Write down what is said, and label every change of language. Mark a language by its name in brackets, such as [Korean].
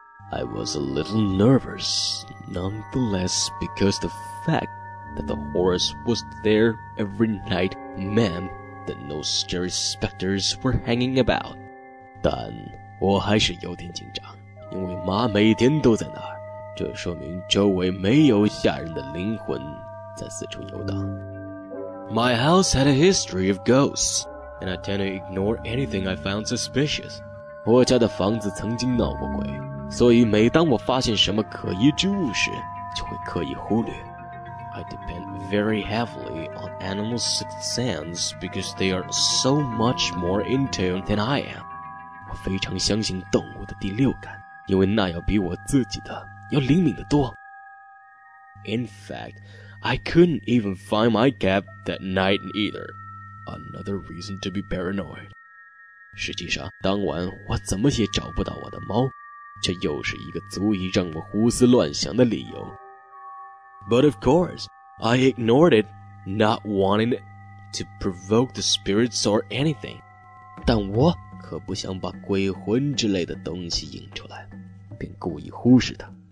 [English] I was a little nervous, nonetheless, because the fact that the horse was there every night meant that no scary specters were hanging about. [Chinese] 但我还是有点紧张，因为妈每天都在那儿，这说明周围没有吓人的灵魂在四处游荡。 [English] My house had a history of ghosts. And I tend to ignore anything I found suspicious. [Chinese] 我家的房子曾经闹过鬼，所以每当我发现什么可疑之物时，就会刻意忽略。 [English] I depend very heavily on animal sixth sense because they are so much more in tune than I am. [Chinese] 我非常相信动物的第六感，因为那要比我自己的要灵敏得多。 [English] In fact, I couldn't even find my cab that night either. Another reason to be paranoid. [Chinese] 实际上，当晚我怎么也找不到我的猫，这又是一个足以让我胡思乱想的理由。 [English] But of course, I ignored it, not wanting to provoke the spirits or anything. [Chinese] 但我可不想把鬼魂之类的东西引出来，并故意忽视它。